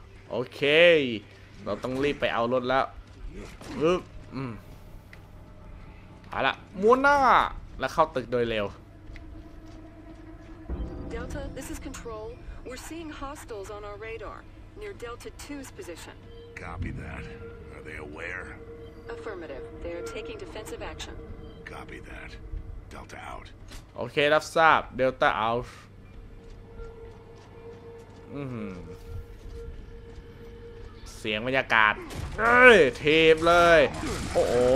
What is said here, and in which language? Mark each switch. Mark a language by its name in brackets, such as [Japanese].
[Thai] โอเคเราต้องรีบไปเอารถแล้วเอาละมุนหน้าแล้วเข้าตึกโดยเร็ว [English] Delta this is control we're seeing hostiles on our radar near Delta 2's position Copy that are they aware Affirmative they are taking defensive action Copy that Delta out [Thai] โอเครับทราบ Delta out เสียงบรรยากาศเอ้ยทีบเลยโอ้โห